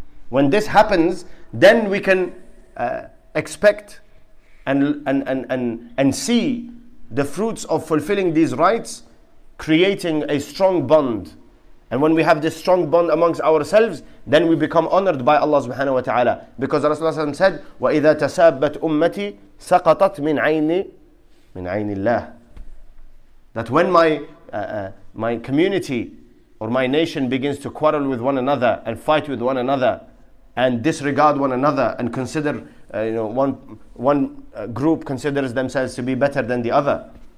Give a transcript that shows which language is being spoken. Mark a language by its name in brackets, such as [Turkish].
[English] When this happens, then we can expect and see the fruits of fulfilling these rites, creating a strong bond. And when we have this strong bond amongst ourselves, then we become honored by Allah subhanahu wa ta'ala. Because Rasulullah said, [Arabic] وَإِذَا تَسَابَّتْ أُمَّتِي سَقَطَتْ مِنْ عَيْنِ اللَّهِ. [English] That when my community or my nation begins to quarrel with one another and fight with one another and disregard one another and consider, one group considers themselves to be better than the other.